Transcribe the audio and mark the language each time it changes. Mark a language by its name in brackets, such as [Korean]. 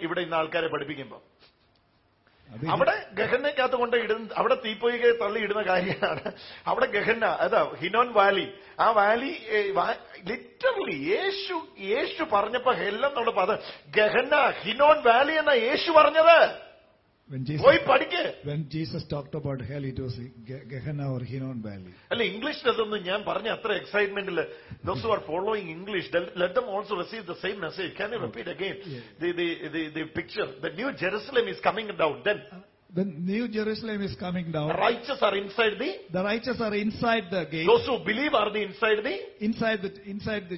[Malayalam] ഇവിടെ ഇന്ന് ആൾക്കാരെ പഠിപ്പിക്കുമ്പോ അവിടെ ഗഹനക്കകത്ത് കൊണ്ട് അവിടെ തീപ്പൊയ്ക തള്ളിയിടുന്ന കാര്യമാണ്. അവിടെ ഗഹന, അതാ ഹിനോൻ വാലി. ആ വാലി ലിറ്ററലി യേശു പറഞ്ഞപ്പോ ഹെല്ലം തുടപ്പോ അത് ഗഹന ഹിനോൻ വാലി എന്ന യേശു പറഞ്ഞത്. [English] When Jesus talked about hell, it was Gehenna or Hinnom Valley. [Malayalam] അല്ല, ഇംഗ്ലീഷ് അതൊന്നും ഞാൻ പറഞ്ഞ അത്ര എക്സൈറ്റ്മെന്റ് ഇല്ല. [English] Those who are following English, let them also receive the same message. Can you repeat again? The picture, the new Jerusalem is coming down. Then the new Jerusalem is coming down. The righteous are inside the gate. Those who believe are the inside the